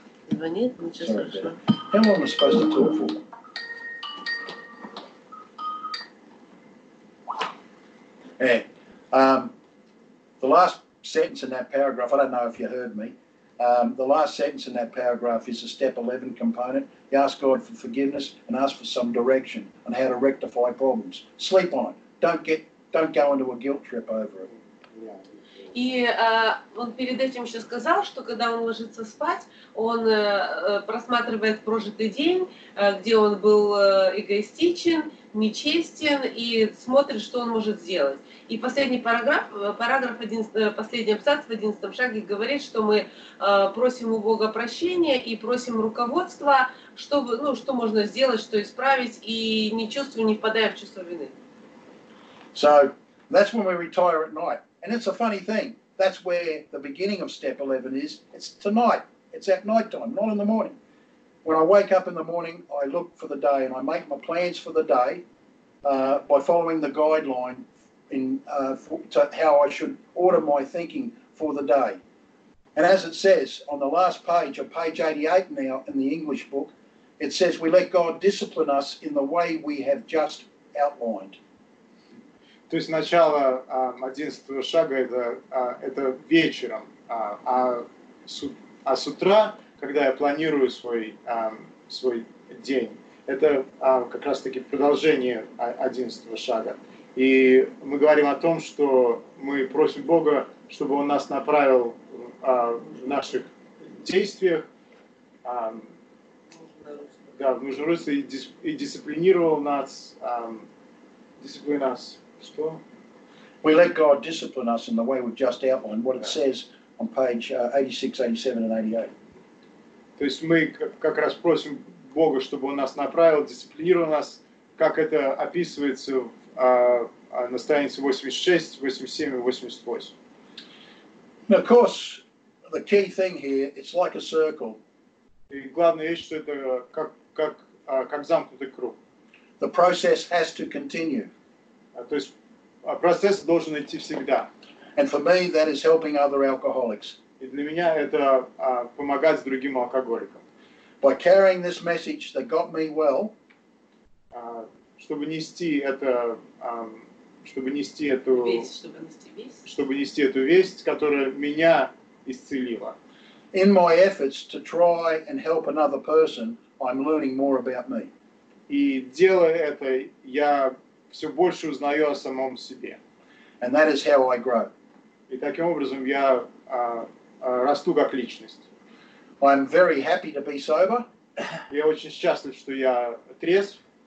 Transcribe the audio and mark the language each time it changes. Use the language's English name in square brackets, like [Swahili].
[Russian] Звонит, ничего страшного. [English] The last sentence in that paragraph, I don't know if you heard me. The last sentence in that paragraph is a step 11 component. You ask God for forgiveness and ask for some direction on how to rectify problems. Sleep on it. Don't go into a guilt trip over it. [Russian] И он перед этим еще сказал, что когда он ложится спать, он просматривает прожитый день, где он был эгоистичен, нечестен, и смотрит, что он может сделать. И последний параграф последний абзац в 11-м шаге говорит, что мы просим у Бога прощения и просим руководства, чтобы, ну, что можно сделать, что исправить, и не чувствуя, не впадая в чувство вины. [English] So, that's when we retire at night. And it's a funny thing. That's where the beginning of step 11 is. It's tonight. It's at night time, not in the morning. When I wake up in the morning, I look for the day and I make my plans for the day by following the guideline in to how I should order my thinking for the day. And as it says on the last page of page 88 now in the English book, it says we let God discipline us in the way we have just outlined. [Russian] То есть начало 11-го шага это вечером, а с утра, когда я планирую свой день, это как раз-таки продолжение 11-го шага. И мы говорим о том, что мы просим Бога, чтобы Он нас направил в наших действиях, да, в нужном русле и дисциплинировал нас, дисциплинировал нас. Что? [English] We let God discipline us in the way we've just outlined, what it says on page 86, 87 and 88. [Russian] То есть мы как раз просим Бога, чтобы Он нас направил, дисциплинировал нас, как это описывается на странице 86, 87 и 88. [English] Now, of course, the key thing here, it's like a circle. [Russian] И главное есть, что это как замкнутый круг. [English] The process has to continue. [Russian] То есть процесс должен идти всегда. [English] And for me, that is helping other alcoholics. [Russian] И для меня это помогать другим алкоголикам. [English] By carrying this message that got me well, [Russian] чтобы нести это, чтобы нести эту, чтобы нести эту весть, которая меня исцелила. [English] In my efforts to try and help another person, I'm learning more about me. [Russian] И делая это, я все больше узнаю о самом себе. [English] And that is how I grow. [Russian] И таким образом я расту как личность. [English] I'm very happy to be sober. [Russian] Я очень счастлив, что я трезв.